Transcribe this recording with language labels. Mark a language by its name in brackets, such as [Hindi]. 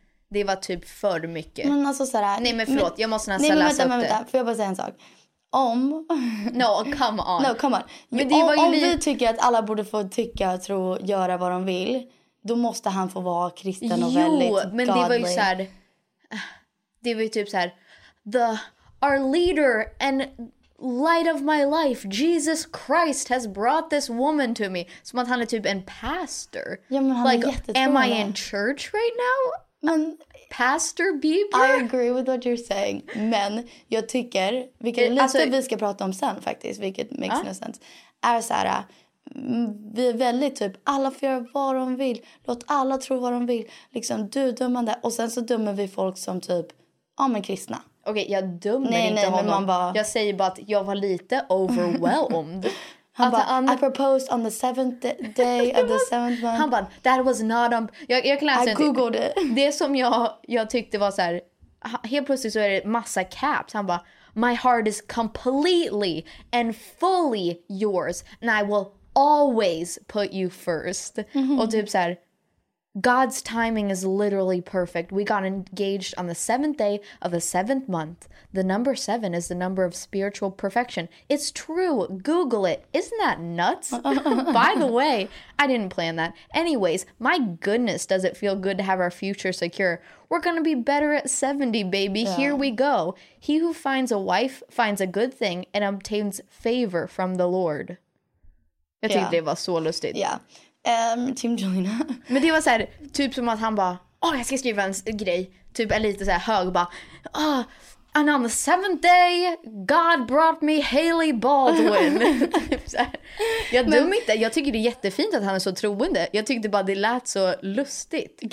[Swedish] Det var typ för mycket. Men alltså så här, nej men förlåt, jag måste nästan läsa upp det. Får jag bara säga en sak? Om... [English] No, come on. [Swedish] Men det var ju om vi tycker att alla borde få tycka, tro och göra vad de vill. Då måste han få vara kristen och väldigt godly. Men det var ju så här... Det var ju typ så här, [English] our leader and light of my life, Jesus Christ, has brought this woman to me. [Swedish] Som att han är typ en pastor. Ja, men han [English] like, [Swedish] är jättetroende. [English] Am I in church right now? [Swedish] Men, Pastor Bieber? [English] I agree with what you're saying. [Swedish] Men jag tycker, vilket är lite vi ska prata om sen faktiskt, vilket [English] makes no sense, [Swedish] är så här, vi är väldigt typ, alla får göra vad de vill, låt alla tro vad de vill, liksom du dömande, och sen så dömer vi folk som typ, ja men kristna. Okej, jag dömer inte honom, man bara... jag säger bara att jag var lite overwhelmed. Han bara, [English] I proposed on the seventh day of the seventh month. [Swedish] Han bara, [English] that was not on, [Swedish] jag kan läsa, [English] I googled it. [Swedish] Det som jag tyckte var så här, helt plötsligt så är det massa caps, han bara, [English] my heart is completely and fully yours, and I will always put you first. Mm-hmm. [Swedish] Och typ så här, [English] God's timing is literally perfect. We got engaged on the seventh day of the seventh month. The number seven is the number of spiritual perfection. It's true. Google it. Isn't that nuts? By the way, I didn't plan that. Anyways, my goodness, does it feel good to have our future secure? We're gonna be better at 70, baby. Yeah. Here we go. He who finds a wife finds a good thing and obtains favor from the Lord. [Swedish] Jag tyckte det var så lustigt. Ja. Team Jolina. Men det var så här, typ som att han bara, jag ska skriva en grej. Typ en lite så här hög, bara, [English] and on the seventh day, God brought me Hailey Baldwin. [Swedish] Typ så här. Jag dum inte, jag tycker det är jättefint att han är så troende. Jag tyckte bara det lät så lustigt.